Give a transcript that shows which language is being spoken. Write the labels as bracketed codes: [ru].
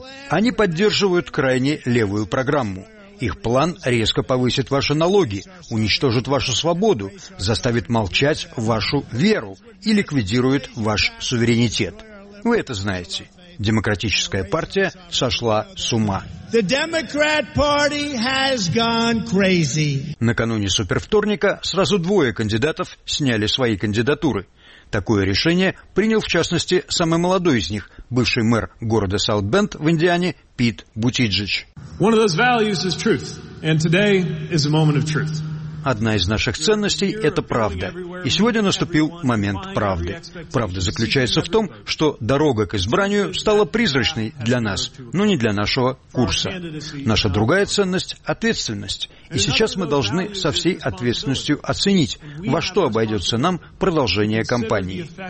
[ru] Они поддерживают крайне левую программу. Их план резко повысит ваши налоги, уничтожит вашу свободу, заставит молчать вашу веру и ликвидирует ваш суверенитет. Вы это знаете. Демократическая партия сошла с ума. [en] The Democrat Party has gone crazy. [ru] Накануне супервторника сразу двое кандидатов сняли свои кандидатуры. Такое решение принял, в частности, самый молодой из них, бывший мэр города Саут-Бенд в Индиане Пит Бутиджич. [en] One of those values is truth, and today is a moment of truth. [ru] Одна из наших ценностей – это правда. И сегодня наступил момент правды. Правда заключается в том, что дорога к избранию стала призрачной для нас, но не для нашего курса. Наша другая ценность – ответственность. И сейчас мы должны со всей ответственностью оценить, во что обойдется нам продолжение кампании.